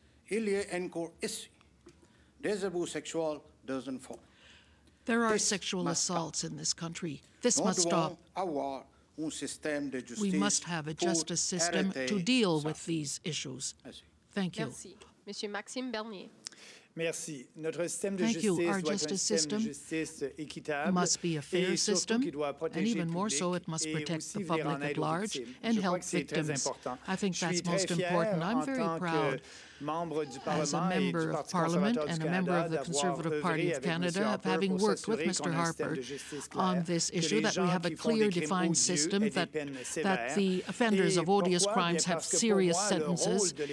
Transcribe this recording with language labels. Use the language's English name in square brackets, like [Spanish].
[French] Il y a encore ici. Des abus sexuels des enfants. [English] There are sexual assaults in this country. This must stop. We must have a justice system to deal with these issues. Thank you. [French] Merci. Monsieur Maxime Bernier. Merci. Notre système de justice doit être un système de justice équitable. [English] Must be a fair system, and even more so, it must protect the public at large and help victims. I think that's most important. I'm very proud as a member of Parliament and a member of the Conservative Party of Canada of having worked with Mr. Harper on this issue, that we have a clear, defined system, that the offenders of odious crimes have serious sentences.